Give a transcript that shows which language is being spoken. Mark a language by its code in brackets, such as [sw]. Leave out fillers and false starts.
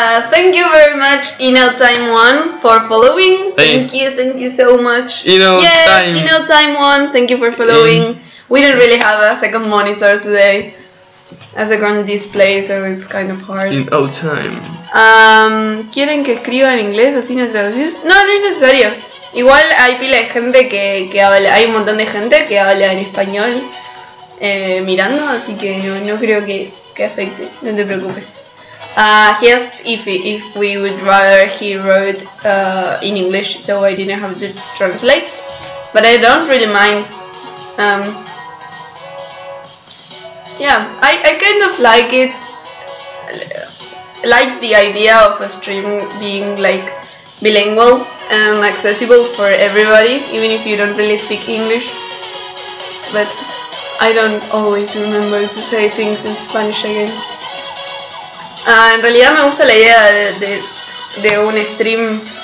[en] Thank you very much, Inno Time One, for following. Hey. Thank you so much. Inno Time One, thank you for following. We didn't really have a second monitor today, a second display, so it's kind of hard. Inno Time. [es] ¿Quieren que escriba en inglés así no traducís? No, no es necesario. Igual hay pila de gente que habla, hay un montón de gente que habla en español. Mirando, así que no creo que afecte, no te preocupes. [en] He asked if we would rather he wrote in English, so I didn't have to translate, but I don't really mind. I kind of like it, like the idea of a stream being like bilingual and accessible for everybody, even if you don't really speak English. But I don't always remember to say things in Spanish again. [es] En realidad me gusta la idea de un stream